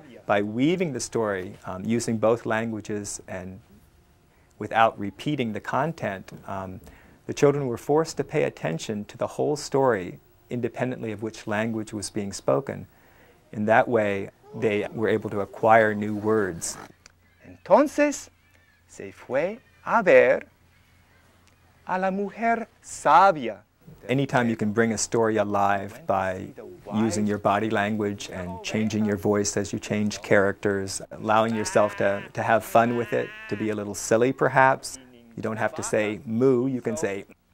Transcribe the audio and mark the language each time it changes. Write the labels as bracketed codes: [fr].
[en] By weaving the story using both languages and without repeating the content, the children were forced to pay attention to the whole story independently of which language was being spoken. In that way, they were able to acquire new words. [es] Entonces, se fue a ver a la mujer sabia. [en] Anytime you can bring a story alive by using your body language and changing your voice as you change characters, allowing yourself to have fun with it, to be a little silly perhaps. You don't have to say moo, you can say